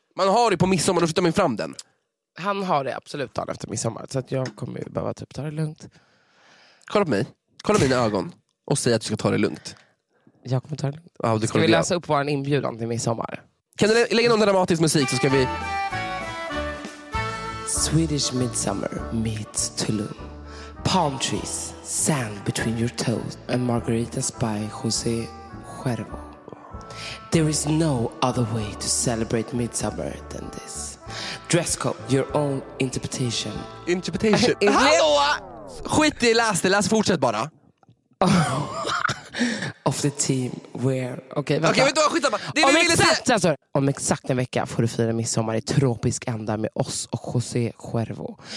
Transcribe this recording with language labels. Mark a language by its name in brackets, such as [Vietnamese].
[Swedish] Man har det på midsommar, då flyttar man fram den. Han har det absolut dagen efter midsommar. Så att jag kommer ju behöva typ ta det lugnt. Kolla på mig. Kolla mina ögon. Och säg att du ska ta det lugnt. Jag kommer ta det lugnt. Ja, ska vi läsa upp vår inbjudan till midsommar? Kan du lägga någon dramatisk musik så ska vi... [English] Swedish midsummer meets Tulum. Palm trees, sand between your toes, and margaritas by José Cuervo. There is no other way to celebrate midsummer than this. Dress code, your own interpretation. [Swedish] Interpretation? Hallå! Skit i läste, läs fortsätt bara. [English] Of the team where... Okej, [Swedish] okay, vänta. Okej, okay, vänta, skit samma. Det är vi ville se. Om exakt en vecka får du fira midsommar i tropisk ända med oss och José Cuervo.